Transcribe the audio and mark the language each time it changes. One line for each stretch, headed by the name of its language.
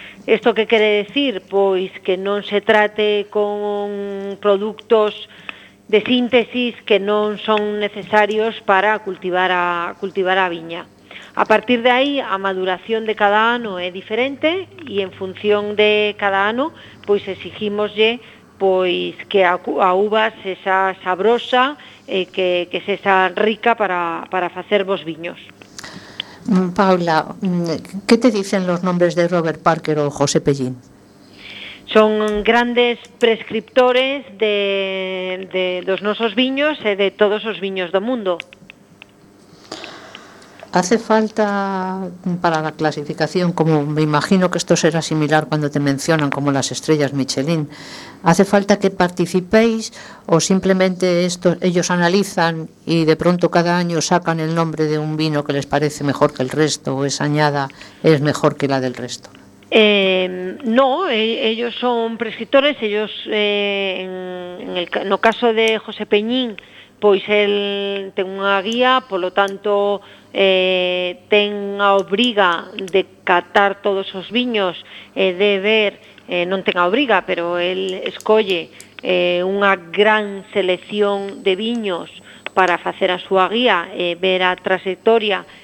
Galician: Isto que quere decir? Pois que non se trate con productos de síntesis que non son necesarios para cultivar a viña. A partir de aí, a maduración de cada ano é diferente e en función de cada ano, pois exigímoslle pois que a uva sexa sabrosa e que sexa rica para facer vos viños.
Spanish: Paula, que te dicen los nombres de Robert Parker o José Pellín?
Galician: Son grandes prescriptores de dos nosos viños e de todos os viños do mundo.
Spanish: Hace falta para la clasificación, como me imagino que esto será similar cuando te mencionan como las estrellas Michelin, ¿hace falta que participéis o simplemente ellos analizan y de pronto cada año sacan el nombre de un vino que les parece mejor que el resto o esa añada es mejor que la del resto? No, ellos son prescriptores, ellos en el caso de José Peñín,
Galician: pois él ten unha guía, polo tanto ten a obriga de catar todos os viños e de ver, non ten a obriga, pero él escolle unha gran selección de viños para facer a súa guía e ver a trayectoria